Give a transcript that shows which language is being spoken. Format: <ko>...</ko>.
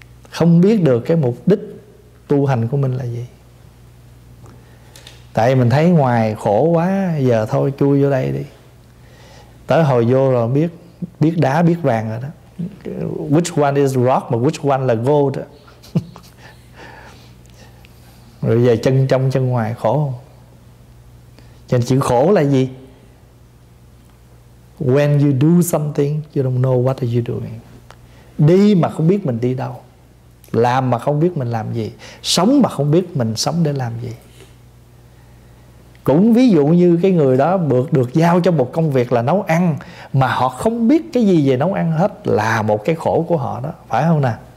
<vi>Không biết được cái mục đích tu hành của mình là gì. Tại mình thấy ngoài khổ quá, giờ thôi chui vô đây đi. Tới hồi vô rồi biết đá biết vàng rồi đó.</vi> <en>Which one is rock mà which one là gold.</en> <vi>Rồi giờ chân trong chân ngoài khổ không? Chữ khổ là gì?</vi> <en>When you do something you don't know what are you doing.</en> <vi>Đi mà không biết mình đi đâu. Làm mà không biết mình làm gì. Sống mà không biết mình sống để làm gì. Cũng ví dụ như cái người đó được giao cho một công việc là nấu ăn, mà họ không biết cái gì về nấu ăn hết, là một cái khổ của họ đó. Phải không nè?</vi>